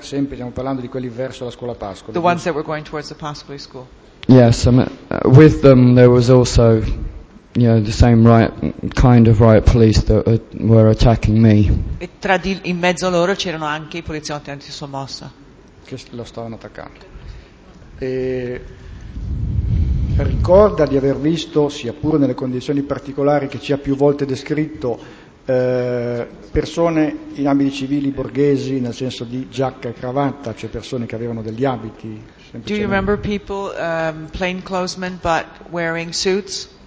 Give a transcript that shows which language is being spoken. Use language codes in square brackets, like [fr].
[it] Sempre stiamo parlando di quelli verso la scuola Pascoli. [en] The ones that were going towards the Pascoli school. Yes, with them there was also, you know, the same riot, kind of riot police that were attacking me. [it] E tra di, in mezzo a loro c'erano anche i poliziotti antisommossa. Che lo stavano attaccando. E ricorda di aver visto, sia pure nelle condizioni particolari che ci ha più volte descritto, persone in abiti civili borghesi, nel senso di giacca e cravatta, cioè persone che avevano degli abiti. [en] Do you remember people, plain clothes men, but wearing suits?